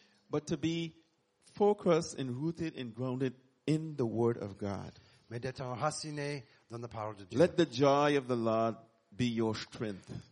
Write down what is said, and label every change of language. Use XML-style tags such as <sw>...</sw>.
<en>But to be focused and rooted and grounded in the Word of God.</en> <fr>Mais d'être enraciné dans la parole de Dieu.</fr> <en>Let the joy of the Lord be your strength.</en>